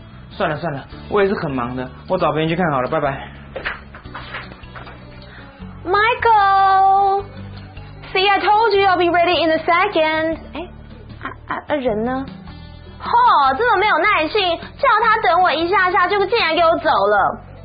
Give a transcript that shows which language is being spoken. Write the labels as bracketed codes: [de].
[zh] 算了算了，我也是很忙的，我找别人去看好了，拜拜。 [en] Michael! See, I told you I'll be ready in a second. [zh] 人呢？这么没有耐心，叫他等我一下下，就竟然给我走了。